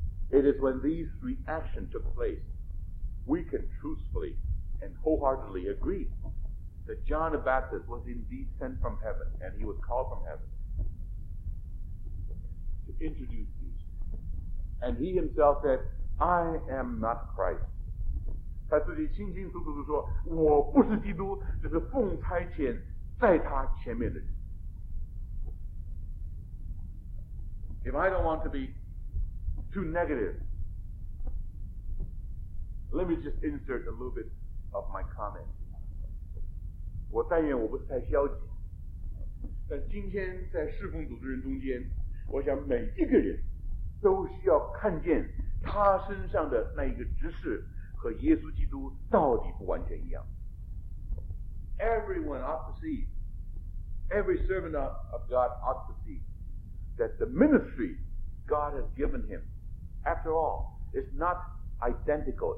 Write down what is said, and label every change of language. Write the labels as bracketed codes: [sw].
[en] It is when these reactions took place, we can truthfully and wholeheartedly agree that John the Baptist was indeed sent from heaven, and he was called from heaven to introduce Jesus. And he himself said, I am not Christ. [zh] 他自己清清楚楚地说, 我不是基督, 只是奉差遣在他前面的人。 [en] If I don't want to be too negative, let me just insert a little bit of my comment. [zh] 我但愿我不是太消极, 但今天在侍奉主的人中间, 我想每一个人都需要看见他身上的那一个执事, 和耶稣基督到底不完全一样。 [en] Everyone ought to see, every servant of God ought to see that the ministry God has given him, after all, is not identical.